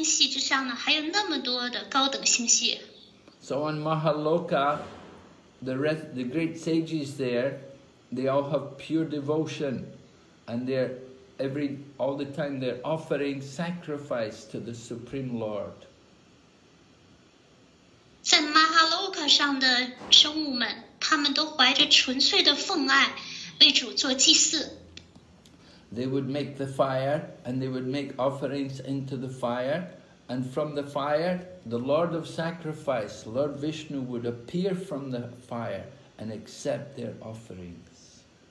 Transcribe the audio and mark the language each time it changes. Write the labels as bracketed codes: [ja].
[zh] 我们要知道，在我们这个星系之上呢，还有那么多的高等星系。 [en] So on Mahaloka, the great sages there, they all have pure devotion, and all the time they're offering sacrifice to the Supreme Lord. [zh] 在马哈洛克上的生物们，他们都怀着纯粹的奉爱，为主做祭祀。They [en] would make the fire, and they would make offerings into the fire, and from the fire, the Lord of Sacrifice, Lord Vishnu, would appear from the fire and accept their offerings.